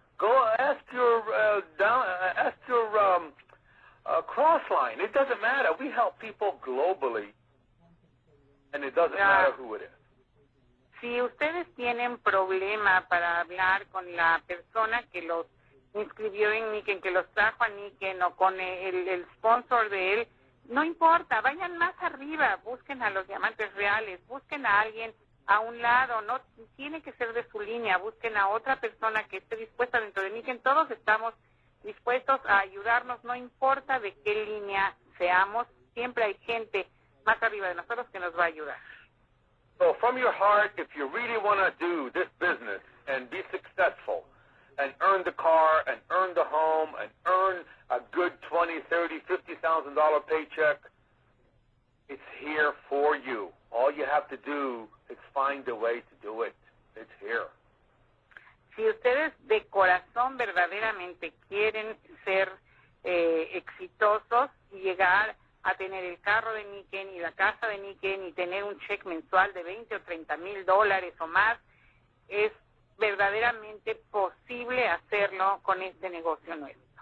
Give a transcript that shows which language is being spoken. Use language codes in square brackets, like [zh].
[en] Go ask your cross line. It doesn't matter. We help people globally, and it doesn't matter who it is. [es] Si ustedes tienen problema para hablar con la persona que los inscribió en Nikken, que los trajo a Nikken, o con el sponsor de él, no importa, vayan más arriba, busquen a los diamantes reales, busquen a alguien a un lado, no tiene que ser de su línea, busquen a otra persona que esté dispuesta dentro de Nikken. Todos estamos dispuestos a ayudarnos, no importa de qué línea seamos, siempre hay gente más arriba de nosotros que nos va a ayudar. [en] So from your heart, if you really want to do this business and be successful and earn the car and earn the home and earn a good $20,000, $30,000, $50,000 paycheck, it's here for you. All you have to do is find a way to do it. It's here. [es] Si ustedes de corazón verdaderamente quieren ser exitosos y llegar a tener el carro de Niken y la casa de Niken y tener un cheque mensual de 20 o 30 mil dólares o más, es verdaderamente posible hacerlo con este negocio nuevo.